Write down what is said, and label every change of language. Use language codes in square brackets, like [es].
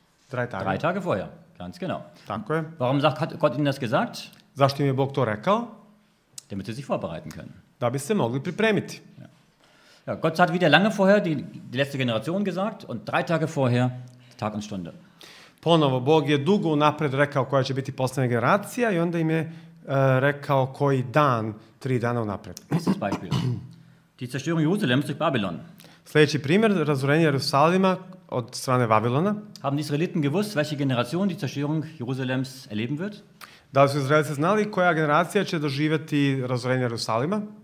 [de] Drei Tage. Drei Tage vorher, ganz genau. [sr] Tako je. [de] Warum sagt Gott Ihnen das gesagt? [sr] Zašto im je Bog to rekao? [de] Damit Sie sich vorbereiten können. [sr] Da bi se mogli pripremiti. [de] Ja. Ja, Gott hat wieder lange vorher die letzte Generation gesagt und drei Tage vorher Tag und Stunde. [sr] Ponovo, Bog je dugo unapred rekao koja će biti poslednja generacija i onda im je rekao koji dan, tri dana unapred. [de] Die Zerstörung Jerusalems durch Babylon. [sr] Sljedeći primjer, razorenje Jerusalima od strane Babilona. [de] Haben die Israeliten gewusst, welche Generation die Zerstörung Jerusalems erleben wird? [sr] Da li su Izraelci znali koja generacija će doživjeti razorenje Jerusalima?